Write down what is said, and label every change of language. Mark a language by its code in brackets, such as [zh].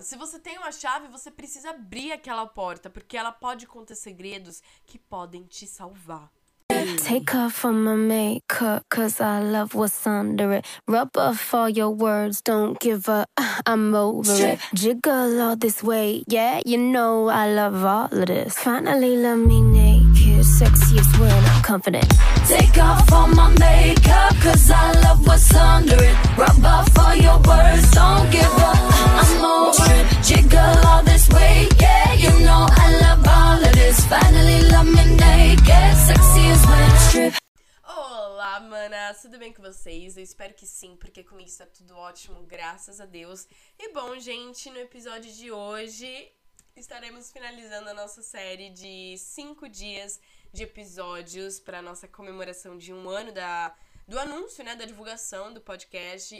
[pt] Se você tem uma chave, você precisa abrir aquela porta, porque ela pode conter segredos que podem te salvar. [en] Take off from my makeup, cause I love what's under it. Rub off all your words, don't give a, I'm over it. Jiggle all this way, yeah, you know I love all of this. Finally love me naked, sexiest when I'm confident. Take off all my makeup, cause I love what's under it. Rub off all your words, don't give a, I'm over it. Jiggle all this way, yeah, you know I love all of this. Finally love me naked, sexiest when I'm stripped. [pt] Olá, manas, tudo bem com vocês? Eu espero que sim, porque comigo está tudo ótimo, graças a Deus. E bom, gente, no episódio de hoje estaremos finalizando a nossa série de 5 dias de episódios para a nossa comemoração de um ano do anúncio, né, da divulgação do podcast.